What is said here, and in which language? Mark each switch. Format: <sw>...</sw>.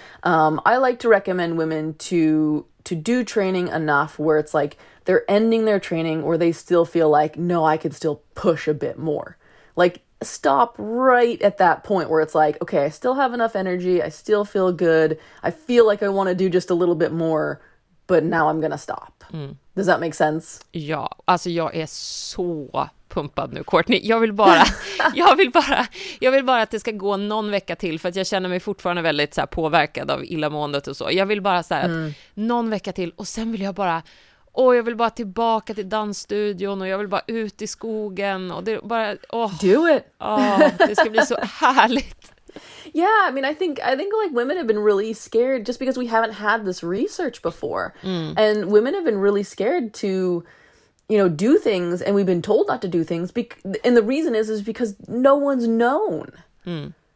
<en>I like to recommend women to do training enough where it's like they're ending their training where they still feel like, no, I can still push a bit more. Like stop right at that point where it's like, okay, I still have enough energy. I still feel good. I feel like I want to do just a little bit more, but now I'm going to stop. Mm. Does that make sense?</en> <sv>Ja, alltså jag är så pumpad nu, Courtney. Jag vill bara att det ska gå någon vecka till, för att jag känner mig fortfarande väldigt så här påverkad av illamåendet och så. Jag vill bara så här någon vecka till, och sen vill jag bara, åh, jag vill bara tillbaka till dansstudion, och jag vill bara ut i skogen, och det bara, åh,</sv> <en>do it.</en> <sv>Åh, det ska bli så härligt.</sv> <en>Yeah, I mean, I think like women have been really scared just because we haven't had this research before. Mm. And women have been really scared to, you know, do things, and we've been told not to do things, and the reason is because no one's known. Mm.</en>